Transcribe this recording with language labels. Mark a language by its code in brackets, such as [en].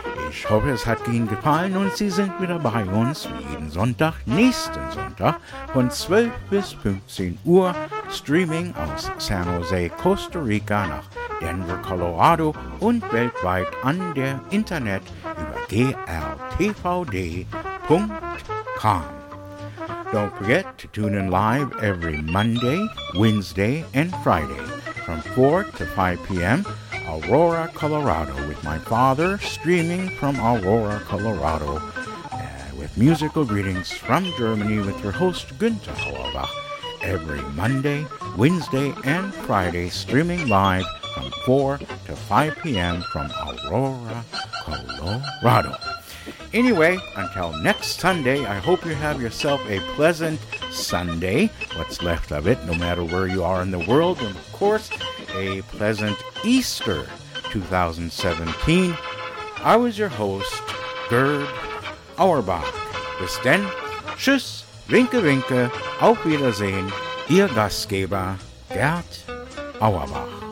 [de] Ich hoffe, es hat Ihnen gefallen und Sie sind wieder bei uns jeden Sonntag, nächsten Sonntag von 12 bis 15 Uhr, streaming aus San Jose, Costa Rica nach Denver, Colorado und weltweit an der Internet über grtvd.com. [en] Don't forget to tune in live every Monday, Wednesday and Friday from 4 to 5 p.m., Aurora, Colorado, with my father, streaming from Aurora, Colorado, with musical greetings from Germany with your host, Günther Hauerbach, every Monday, Wednesday, and Friday, streaming live from 4 to 5 p.m. from Aurora, Colorado. Anyway, until next Sunday, I hope you have yourself a pleasant Sunday, what's left of it, no matter where you are in the world, and of course, a pleasant Easter 2017. I was your host, Gerd Auerbach. [de] Bis denn, tschüss, winke winke, auf Wiedersehen, Ihr Gastgeber, Gerd Auerbach.